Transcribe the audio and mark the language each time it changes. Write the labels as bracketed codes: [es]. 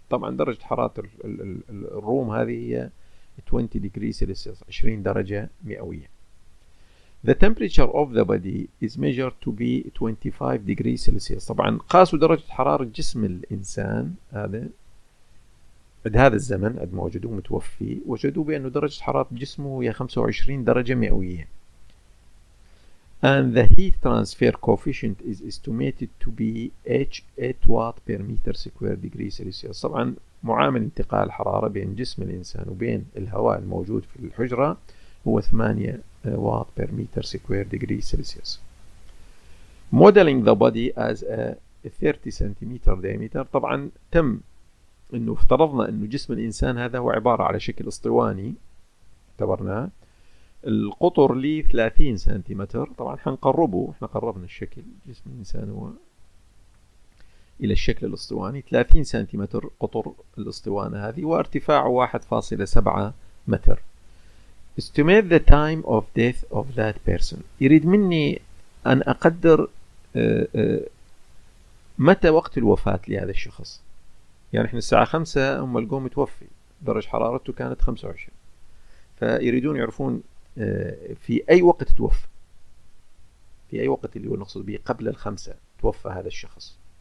[ar] طبعا درجة حرارة الروم هذه هي [en] 20 degrees Celsius [ar] 20 درجة مئوية. [en] The temperature of the body is measured to be 25 degrees Celsius. [ar] طبعا قاسوا درجة حرارة جسم الإنسان هذا عند هذا الزمن، عندما وجدوه متوفي وجدوا بأن درجة حرارة جسمه هي 25 درجة مئوية. [en] And the heat transfer coefficient is estimated to be 8 watt per meter square degree Celsius. [ar] طبعا معامل انتقال الحرارة بين جسم الإنسان وبين الهواء الموجود في الحجرة هو [en] 8 watt per meter square degree Celsius. Modeling the body as a 30 centimeter diameter. [ar] طبعا تم انه افترضنا انه جسم الإنسان هذا هو عبارة على شكل اسطواني، اعتبرناه القطر لي 30 سنتيمتر. طبعا حنقربه، احنا قربنا الشكل جسم الإنسان هو الى الشكل الاسطواني 30 سنتيمتر قطر الاسطوانة هذه، وارتفاعه 1.7 متر. [en] Estimate the time of death of that person. [ar] يريد مني ان اقدر متى وقت الوفاة لهذا الشخص. يعني احنا الساعة 5 هم لقوه متوفي، درجة حرارته كانت 25، فيريدون يعرفون في أي وقت توفى، في أي وقت اللي هو نقصد به قبل الخمسة توفى هذا الشخص.